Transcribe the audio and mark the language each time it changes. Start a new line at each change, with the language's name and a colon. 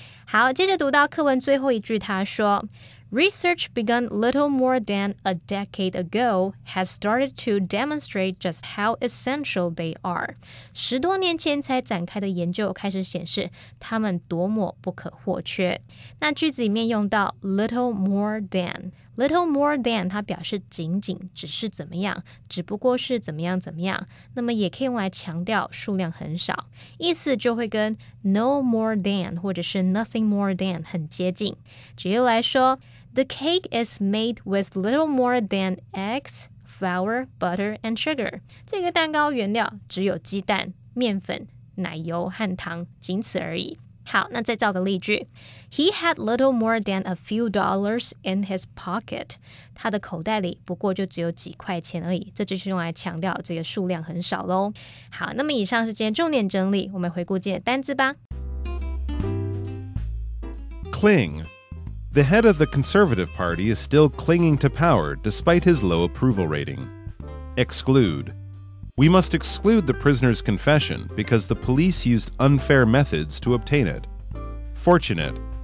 Chinese: 好，接着读到课文最后一句，他说
English: Research begun little more than a decade ago has started to demonstrate just how essential they are.
Chinese: 十多年前才展开的研究开始显示他们多么不可或缺。那句子里面用到
English: little more than，
Chinese: little more than 它表示仅仅、只是怎么样、只不过是怎么样怎么样，那么也可以用来强调数量很少，意思就会跟
English: no more than
Chinese: 或者是
English: nothing more than
Chinese: 很接近。举例来说，
English: The cake is made with little more than eggs, flour, butter, and sugar.
Chinese: 这个蛋糕原料只有鸡蛋、面粉、奶油和糖，仅此而已。好，那再造个例句。
English: He had little more than a few dollars in his pocket.
Chinese: 他的口袋里不过就只有几块钱而已，这就是用来强调这个数量很少咯。好，那么以上是今天重点整理，我们回顾今天的单字吧。
English: Cling. The head of the Conservative Party is still clinging to power despite his low approval rating. Exclude. We must exclude the prisoner's confession because the police used unfair methods to obtain it. Fortunate.